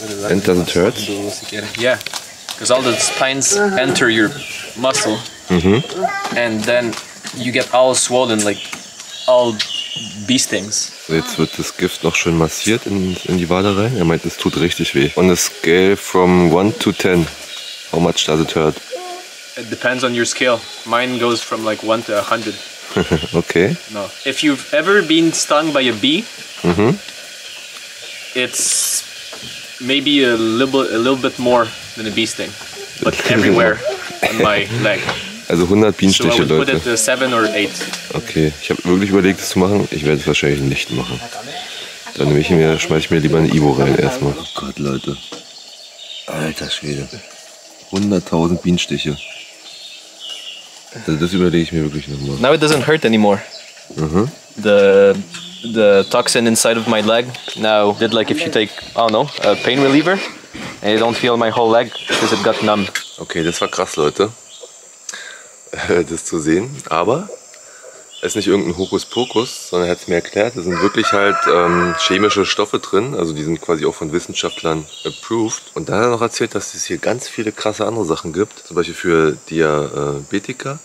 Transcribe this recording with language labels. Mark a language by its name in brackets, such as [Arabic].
[English] And doesn't hurt? Yeah, because all the spines enter your muscle, mm-hmm. and then you get all swollen, like all these things. [German] Jetzt wird das Gift noch schön massiert in die Wade rein. Er meint, es tut richtig weh. [English] On a scale from 1 to 10, how much does it hurt? It depends on your scale. Mine goes from like 1 to 100. Okay. No. If you've ever been stung by a bee, mm-hmm. it's maybe a little bit more than a bee sting. But everywhere on my leg. [German] Also 100 Bienenstiche, so Leute. [English] It, 7 or 8. [German] Okay, ich habe wirklich überlegt, es zu machen. Ich werde es wahrscheinlich nicht machen. Dann schmeiße ich mir lieber eine Ibo rein erstmal. Oh Gott, Leute. Alter Schwede. 100.000 Bienenstiche. Also das überlege ich mir wirklich nochmal. [English] Now it doesn't hurt anymore. Mhm. The toxin inside of my leg now did like if you take, I don't know, a pain reliever. And you don't feel my whole leg because it got numb. [German] Okay, das war krass, Leute. Das zu sehen, aber es ist nicht irgendein Hokuspokus, sondern er hat es mir erklärt, es sind wirklich halt chemische Stoffe drin, also die sind quasi auch von Wissenschaftlern approved. Und dann hat er noch erzählt, dass es hier ganz viele krasse andere Sachen gibt, zum Beispiel für Diabetiker.